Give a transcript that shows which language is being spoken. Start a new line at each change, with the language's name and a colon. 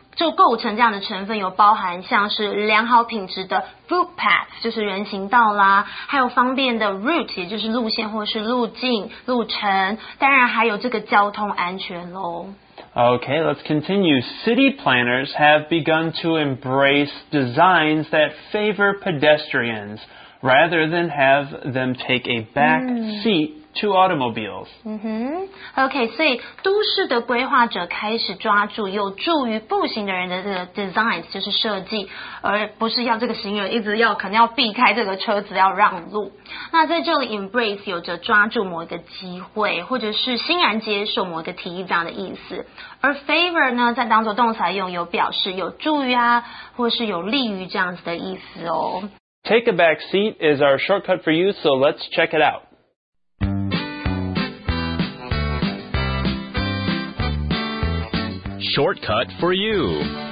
Chinese: 就构成这样的成分有包含像是良好品质的 footpath 就是人行道啦，还有方便的 route 也就是路线或是路径路程，当然还有这个交通安全咯。
English: Okay, let's continue. City planners have begun to embrace designs that favor pedestrians rather than have them take a back seat to automobiles.
Chinese: Okay, 所以都市的规划者开始抓住有助于步行的人的这个 designs 就是设计，而不是要这个行人一直要可能要避开这个车子要让路。那在这里 embrace 有着抓住某一个机会或者是欣然接受某一个提议这样的意思，而 favor 呢在当作动词来用有表示有助于啊或是有利于这样子的意思哦。
English: Take a back seat is our shortcut for you, so let's check it out. Shortcut for you.